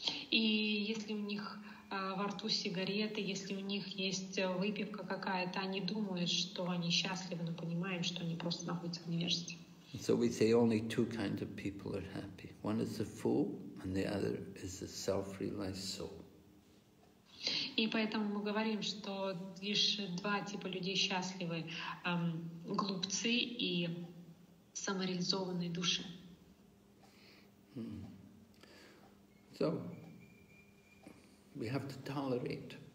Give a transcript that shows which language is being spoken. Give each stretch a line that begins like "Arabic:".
Russian: И если у них во рту сигареты, если у них есть выпивка какая-то, они думают, что они счастливы, но понимаем, что они просто находятся в невежестве.
English: So we say only two kinds of people are happy. One is the fool, and the other is the self-realized soul.
Russian: И поэтому мы говорим, что лишь два типа людей счастливы — глупцы и самореализованные души.
English: So we have to tolerate.